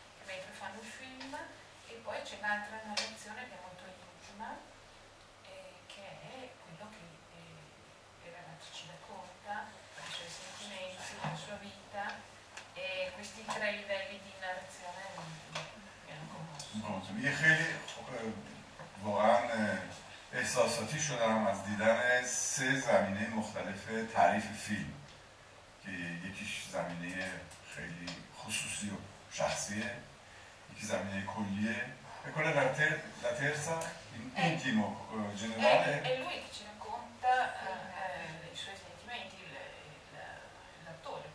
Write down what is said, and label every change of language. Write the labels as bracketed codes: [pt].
[it] ripeto, fanno un film, e poi c'è un'altra narrazione che è molto intima, che è quello che il ragazzo ci racconta, i suoi sentimenti, la sua vita, e questi tre livelli di narrazione mi hanno conosco. Io credo che Voran [fa] احساساتی شدم از دیدن سه زمینه مختلف تعریف فیلم که یکیش زمینه خیلی خصوصی و شخصیه، یکی زمینه کلیه. [it] E quella la terza in intimo generale è lui che ci racconta i suoi sentimenti, l'attore.